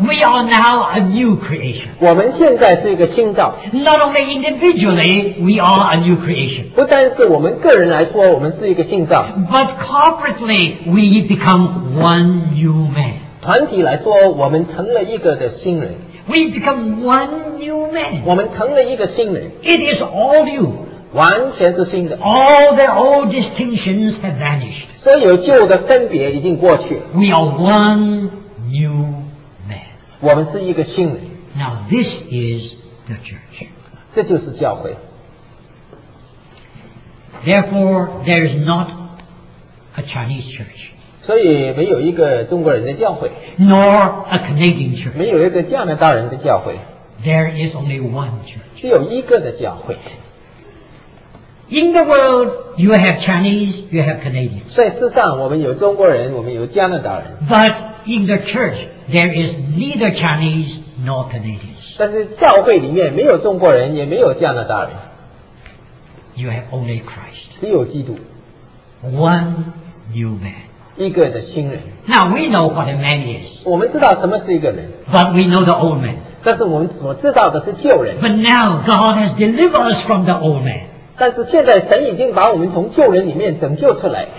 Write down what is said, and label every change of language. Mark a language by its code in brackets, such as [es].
[en] We are now a new creation [zh] 我们现在是一个新造 [en] Not only individually we are a new creation [zh] 不单是我们个人来说我们是一个新造 [en] but corporately we become one new man [zh] 团体来说我们成了一个的新人 [en] we become one new man [zh] 我们成了一个新人 [en] it is all new [zh] 完全是新的 [en] all the old distinctions have vanished [zh] 所有旧的分别已经过去 [en] we are one new man [zh] 我们是一个新人 [en] now this is the church [zh] 这就是教会 [en] Therefore, there is not a Chinese church. [zh] 所以没有一个中国人的教会。 [en] Nor a Canadian church. [zh] 没有一个加拿大人的教会。 [en] There is only one church. [zh] 只有一个的教会。 [en] In the world, you have Chinese, you have Canadians. [zh] 在世上，我们有中国人，我们有加拿大人。 [en] But in the church, there is neither Chinese nor Canadians. [zh] 但是教会里面没有中国人，也没有加拿大人。 [en] You have only Christ. [zh] 只有基督。 [en] One new man. [zh] 一个的新人。 [en] Now we know what a man is. [zh] 我们知道什么是一个人。 [en] But we know the old man. [zh] 但是我们所知道的是旧人。 [en] But now God has delivered us from the old man. [zh] 但是现在神已经把我们从旧人里面拯救出来。